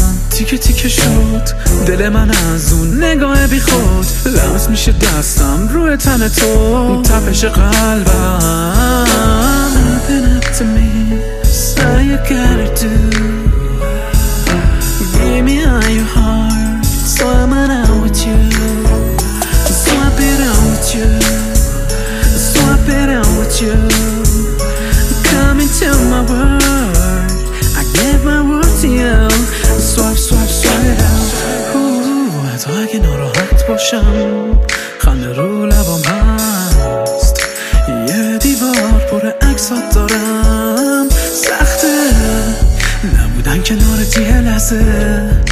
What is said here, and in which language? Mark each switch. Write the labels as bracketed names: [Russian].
[Persian] تیکه تیکه شد دل من از اون نگاه بی خود. لمس میشه دستم روی تن تو، تپش قلبم. [English] Open up to me, so you gotta do. Give me all your heart, so I'm out with you. Swap it out with you. Swap it out with you. Come into my world, I give my world to you. Swap, swap, swap it out. [Persian] Ooh, حتی اگه ناراحت باشم خنده رو لبام هست. یه دیوار پر عکسات دارم، سخته نبودن کنار تیه لحظه.